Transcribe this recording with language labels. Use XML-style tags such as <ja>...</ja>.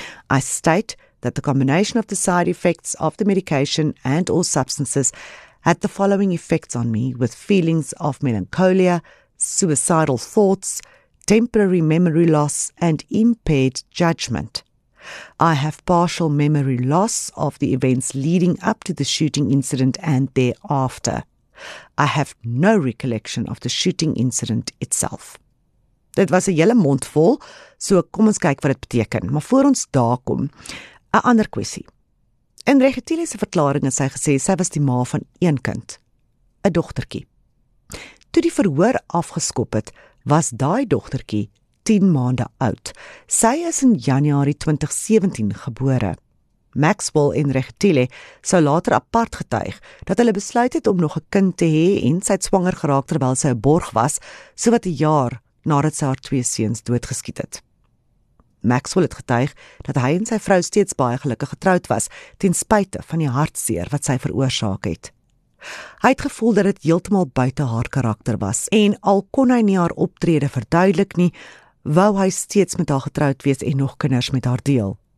<en>I state that the combination of the side effects of the medication and or substances had the following effects on me with feelings of melancholia, suicidal thoughts, temporary memory loss and impaired judgment. I have partial memory loss of the events leading up to the shooting incident and thereafter. I have no recollection of the shooting incident itself.</en> <af>Dit was 'n hele mond vol, so kom ons kyk wat dit beteken. Maar voor ons daar kom, 'n ander kwessie. In Regetile se verklaring het sy gesê sy was die ma van een kind, 'n dogtertjie. Toe die verhoor afgeskop het, was daai dogtertjie 10 maande oud. Sy is in Januarie 2017 gebore. Maxwell en Regetile sou later apart getuig dat hulle besluit het om nog 'n kind te hê en sy het swanger geraak terwyl sy 'n borg was, sowat 'n jaar nadat sy haar twee seuns doodgeskiet het. Maxwell het getuig dat hy en sy vrou steeds baie gelukkig getroud was, ten spyte van die hartseer wat sy veroorsaak het. Hy het gevoel dat dit heeltemal buite haar karakter was, en al kon hy nie haar optrede verduidelik nie, wou hy steeds met haar getroud wees en nog kinders met haar deel.</af>